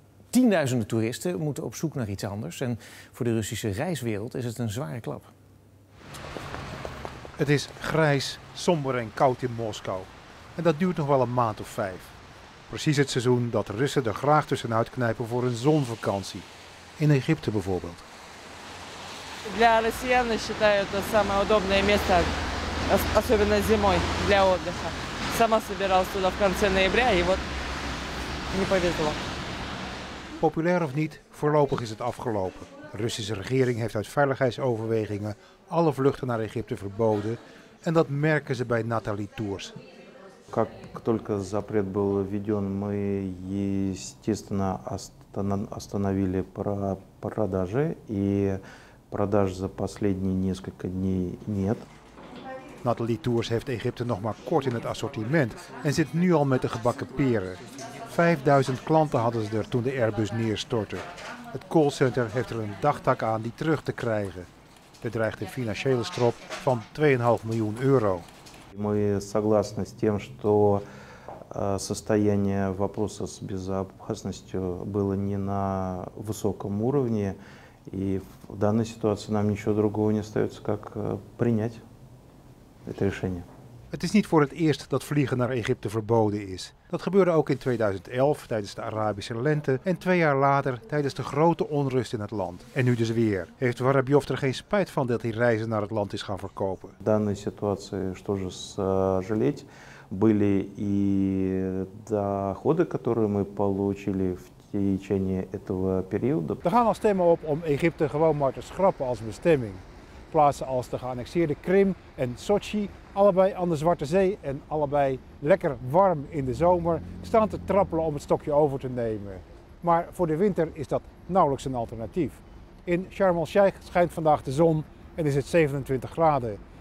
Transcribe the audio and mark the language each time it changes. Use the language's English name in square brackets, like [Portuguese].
[Dutch] Tienduizenden toeristen moeten op zoek naar iets anders. En voor de Russische reiswereld is het een zware klap. Het is grijs, somber en koud in Moskou. En dat duurt nog wel een maand of 5. Precies het seizoen dat Russen er graag tussenuit knijpen voor een zonvakantie. In Egypte bijvoorbeeld. [Russian] Для россиян считаю это самое удобное место, особенно зимой для отдыха. Сама собиралась туда в конце ноября и вот не повезло. [Dutch] Populair of niet, voorlopig is het afgelopen. De Russische regering heeft uit veiligheidsoverwegingen alle vluchten naar Egypte verboden en dat merken ze bij Natalie Tours. [Russian] Как только запрет был введен, мы естественно остановили продажи, и продаж за последние несколько дней нет. [Dutch] Natalie Tours heeft Egypte nog maar kort in het assortiment en zit nu al met de gebakken peren. 5000 klanten hadden ze er toen de Airbus neerstortte. Het callcenter heeft er een dagtak aan die terug te krijgen. Er dreigt een financiële strop van 2,5 miljoen euro. [Russian] Мы согласны с тем, что состояние вопроса с безопасностью было не на высоком уровне. И в данной ситуации нам ничего другого не остается, как принять это решение. [Dutch] Het is niet voor het eerst dat vliegen naar Egypte verboden is. Dat gebeurde ook in 2011 tijdens de Arabische lente en 2 jaar later tijdens de grote onrust in het land. En nu dus weer. Heeft Warabiov er geen spijt van dat hij reizen naar het land is gaan verkopen? In deze situatie, wat is er gebeurd? [Russian] Были и доходы, которые мы получили в течение этого периода. [Dutch] Er gaan al stemmen op om Egypte gewoon maar te schrappen als bestemming. Plaatsen als de geannexeerde Krim en Sochi, allebei aan de Zwarte Zee en allebei lekker warm in de zomer, staan te trappelen om het stokje over te nemen. Maar voor de winter is dat nauwelijks een alternatief. In Sharm el-Sheikh schijnt vandaag de zon en is het 27 graden.